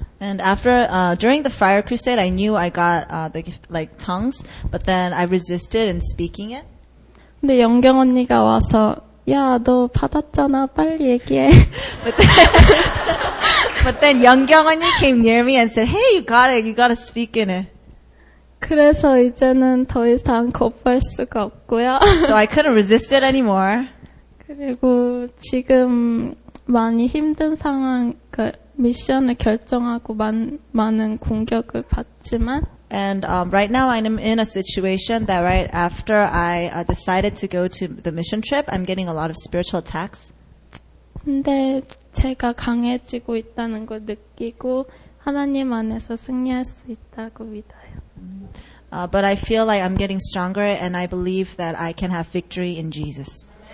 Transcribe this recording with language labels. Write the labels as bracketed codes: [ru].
[en] And after during the Fire Crusade, I knew I got the like tongues, but then I resisted in speaking it. [ko] 근데 영경 언니가 와서 야, 너 받았잖아, 빨리 얘기해. [en] But then 영경 언니 came near me and said, "Hey, you got it. You got to speak in it." [ko] 그래서 이제는 더 이상 거부할 수가 없고요. [en] So I couldn't resist it anymore. [ko] 그리고 지금 많이 힘든 상황, 그 미션을 결정하고 많은 공격을 받지만. [en] And right now I'm in a situation that right after I decided to go to the mission trip, I'm getting a lot of spiritual attacks. [ko] 근데 제가 강해지고 있다는 걸 느끼고 하나님 안에서 승리할 수 있다고 믿어요. [en] But I feel like I'm getting stronger and I believe that I can have victory in Jesus.